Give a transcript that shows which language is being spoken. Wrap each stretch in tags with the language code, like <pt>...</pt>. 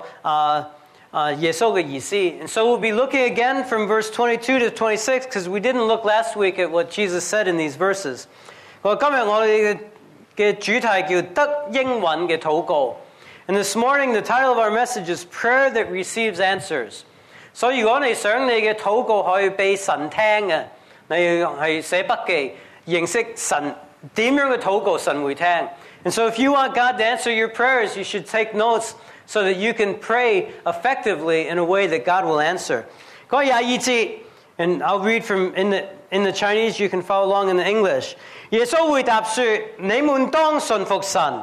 <zh>所以我們再一次看22節至26節,因為上個星期我們是沒有真的講到耶穌的意思.</zh> <en>And so we'll be looking again from verse 22 to 26, because we didn't look last week at what Jesus said in these verses.</en> <zh>今天我們的主題叫得應允的禱告.</zh> <en>And this morning, the title of our message is Prayer That Receives Answers.</en> <zh>所以如果你想你的禱告可以被神聽的,你要寫筆記, 認識神,怎樣的禱告神會聽.</zh> <en>And so if you want God to answer your prayers, you should take notes so that you can pray effectively in a way that God will answer.</en> <zh>22節,</zh> <en>and I'll read from in the Chinese, you can follow along in the English.</en> <zh>耶穌回答說,你們當信服神。</zh>